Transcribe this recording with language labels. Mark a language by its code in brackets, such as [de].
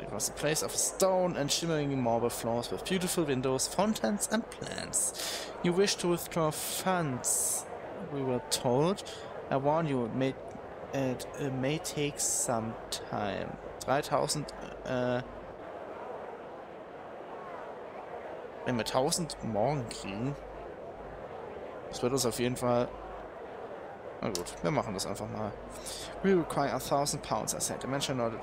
[en] It was a place of stone and shimmering marble floors with beautiful windows, fountains and plants. You wish to withdraw funds, we were told. I warn you, it may take some time. [de] 3000, wenn wir 1000 morgen kriegen, das wird uns auf jeden Fall... Na gut, wir machen das einfach mal. [en] We require 1000 pounds, I said. The manager nodded.